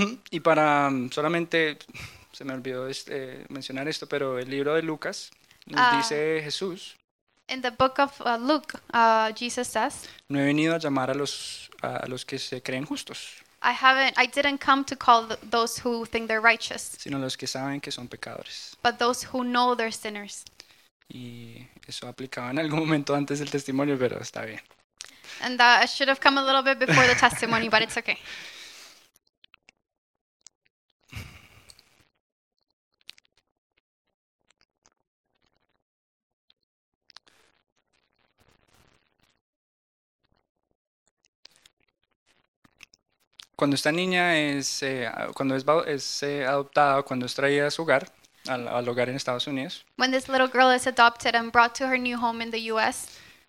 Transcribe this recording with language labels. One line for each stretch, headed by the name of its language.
Spanish: Y para solamente se me olvidó mencionar esto, pero el libro de Lucas nos dice Jesús.
English: In the book of Luke, Jesus says.
Spanish: No he venido a llamar a los que se creen justos.
English: I didn't come to call those who think they're righteous.
Spanish: Sino los que saben que son pecadores.
English: But those who know they're sinners.
Spanish: Y eso aplicaba en algún momento antes del testimonio, pero está bien.
English: And that should have come a little bit before the testimony, but it's okay.
Spanish: Cuando esta niña es adoptada, cuando es traída a su hogar, al hogar en Estados Unidos.
English: When this little girl is adopted and brought to her new home in the U.S.